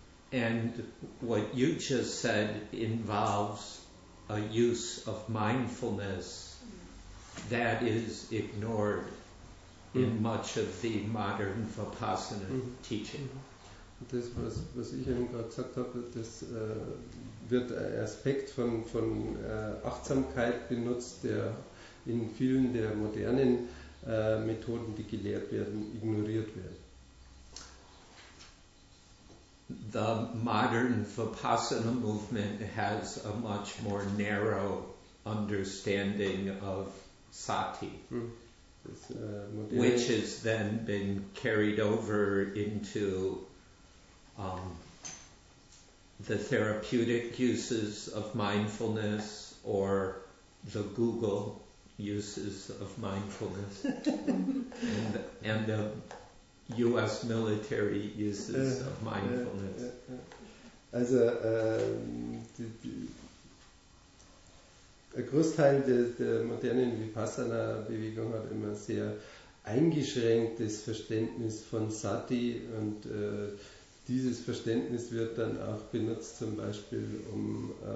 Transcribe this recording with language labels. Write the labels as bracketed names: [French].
[English] And what you just said involves a use of mindfulness that is ignored in much of the modern Vipassana teaching. [German] Das, was ich eben gerade gesagt habe, das wird ein Aspekt von Achtsamkeit benutzt, der in vielen der modernen Methoden, die gelehrt werden, ignoriert wird. [English] The modern Vipassana movement has a much more narrow understanding of Sati. [German] Hm. Das, moderne, [English] which has then been carried over into the therapeutic uses of mindfulness or the Google uses of mindfulness and the US military uses of mindfulness. [German] Also der Großteil der modernen Vipassana-Bewegung hat immer sehr eingeschränktes Verständnis von Sati, und dieses Verständnis wird dann auch benutzt, zum Beispiel um